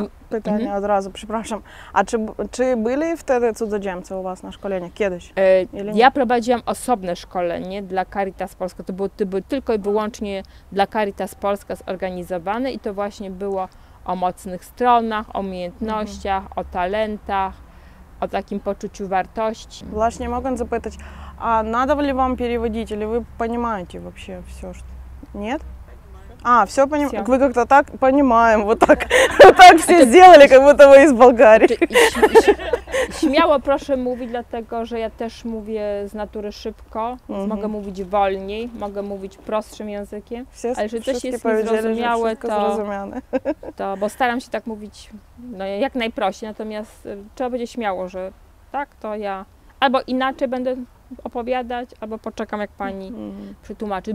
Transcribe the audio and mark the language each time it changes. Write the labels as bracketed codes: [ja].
[pl] Pytanie od razu, przepraszam. A czy byli wtedy cudzoziemcy u was na szkolenie kiedyś? Ja prowadziłam osobne szkolenie dla Caritas Polska. To było tylko i wyłącznie dla Caritas Polska zorganizowane i to właśnie było o mocnych stronach, o umiejętnościach, o talentach, o takim poczuciu wartości. Właśnie mogę zapytać, a [ru] надо ли вам переводить, или вы понимаете вообще все, что... Нет? А, все понимаем. Вы как-то так понимаем, вот так. Вот так все сделали, как будто вы из Болгарии. [pl] Śmiało proszę mówić, dlatego że ja też mówię z natury szybko, więc mogę mówić wolniej, mogę mówić prostszym językiem, ale jeżeli coś jest niezrozumiałe, to bo staram się tak mówić no, jak najprościej, natomiast trzeba będzie śmiało, że tak, to ja albo inaczej będę opowiadać, albo poczekam, jak pani przetłumaczy.